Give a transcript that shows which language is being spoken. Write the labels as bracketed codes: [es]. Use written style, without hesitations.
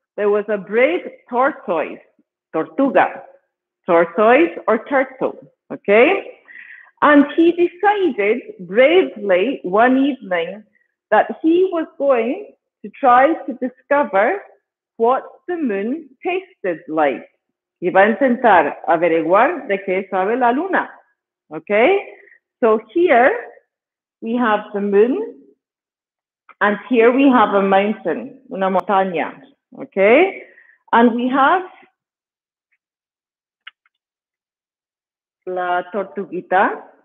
[en] There was a brave tortoise. Tortuga. Tortoise or turtle. Okay? And he decided bravely one evening that he was going to try to discover what the moon tasted like. [es] Iba a intentar averiguar de qué sabe la luna. [en] Okay, so here we have the moon, and here we have a mountain, una montaña, okay? And we have la tortuguita,